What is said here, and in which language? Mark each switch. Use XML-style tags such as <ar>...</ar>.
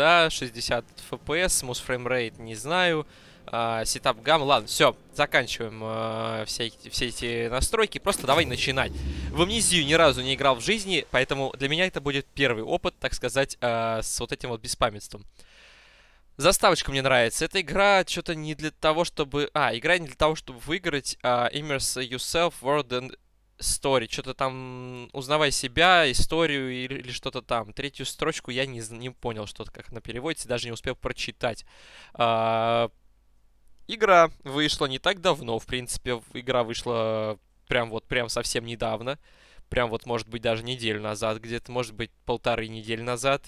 <en>60 FPS, smooth frame rate,</en> <ru>не знаю. Сетап гам, ладно, все, заканчиваем все эти настройки. Просто давай начинать. В Амнезию ни разу не играл в жизни, поэтому для меня это будет первый опыт, так сказать, с вот этим вот беспамятством. Заставочка мне нравится. Эта игра что-то не для того, чтобы... игра не для того, чтобы выиграть.</ru> <en>Immerse yourself, world and story.</en> <ru>Что-то там... Узнавай себя, историю или что-то там. Третью строчку я не понял, что-то как она переводится, даже не успел прочитать. Игра вышла не так давно, в принципе, игра вышла прям совсем недавно. Прям вот, может быть, даже неделю назад, где-то, может быть, полторы недели назад.</ru>